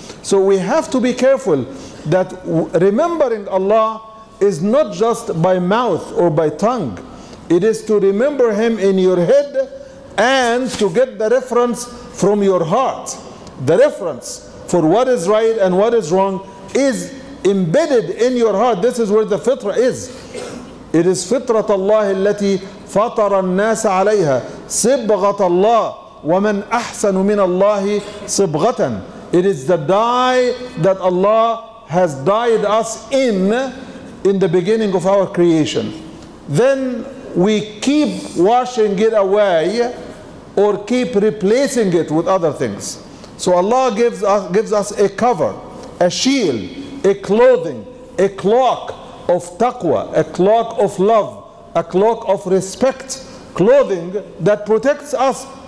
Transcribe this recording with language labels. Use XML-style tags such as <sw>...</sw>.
<en>So we have to be careful that remembering Allah is not just by mouth or by tongue. It is to remember Him in your head and to get the reference from your heart. The reference for what is right and what is wrong is embedded in your heart. This is where the fitrah is. It is</en> <ar>fitrat Allah التي فطر الناس عليها صبغة الله ومن أحسن من الله صبغة.</ar> <en>It is the dye that Allah has dyed us in the beginning of our creation. Then we keep washing it away or keep replacing it with other things. So Allah gives us a cover, a shield, a clothing, a cloak of taqwa, a cloak of love, a cloak of respect, clothing that protects us.</en>